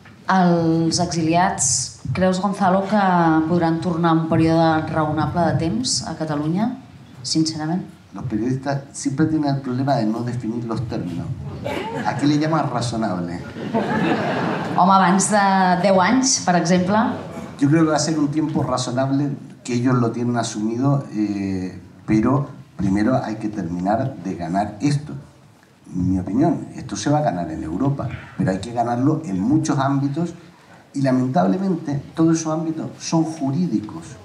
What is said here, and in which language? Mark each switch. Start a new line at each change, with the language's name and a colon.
Catalan: Els exiliats, creus, Gonzalo, que podran tornar un període raonable de temps a Catalunya, sincerament?
Spanish: Los periodistas siempre tienen el problema de no definir los términos. ¿A qué le llaman razonable?
Catalan: Home, abans de 10 anys, per exemple.
Spanish: Yo creo que va a ser un tiempo razonable, que ellos lo tienen asumido, pero primero hay que terminar de ganar esto. Mi opinión, esto se va a ganar en Europa, pero hay que ganarlo en muchos ámbitos y lamentablemente todos esos ámbitos son jurídicos.